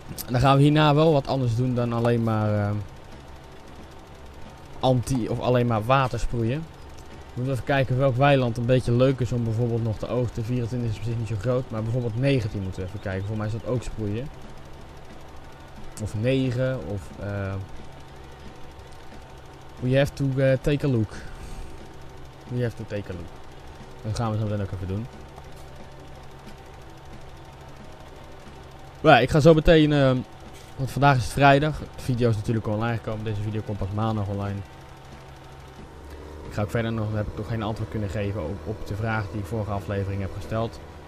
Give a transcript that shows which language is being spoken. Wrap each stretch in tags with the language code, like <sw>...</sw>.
<nl>Dan gaan we hierna wel wat anders doen dan alleen maar of alleen maar water sproeien. We moeten even kijken welk weiland een beetje leuk is om bijvoorbeeld nog te oogsten. 24 is op zich niet zo groot, maar bijvoorbeeld 19 moeten we even kijken. Voor mij is dat ook sproeien. Of 9, of</nl> <en>We have to take a look.</en> <nl>Dat gaan we zo meteen ook even doen. Maar ik ga zo meteen, want vandaag is het vrijdag. De video is natuurlijk online gekomen. Deze video komt pas maandag online. Ik ga ook verder nog, dan heb ik toch geen antwoord kunnen geven op de vraag die ik vorige aflevering heb gesteld.</nl>